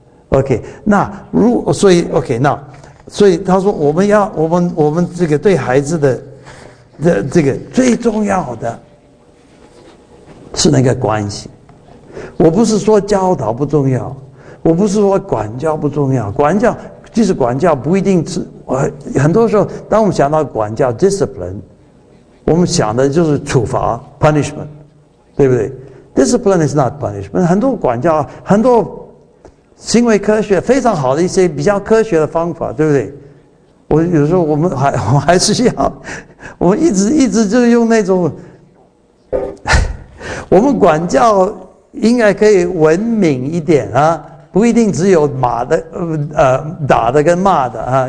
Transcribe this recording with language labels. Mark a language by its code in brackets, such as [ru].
[zh] OK， 那如果所以 OK， 那所以他说我们这个对孩子的这个最重要的是那个关系。我不是说教导不重要，我不是说管教不重要，管教即使管教不一定是很多时候当我们想到管教 discipline， 我们想的就是处罚 punishment， 对不对？ [en] discipline is not punishment， [zh] 很多管教很多。行为科学非常好的一些比较科学的方法，对不对？我有时候我们还是要，我们一直就用那种，我们管教应该可以文明一点啊，不一定只有骂的打的跟骂的啊。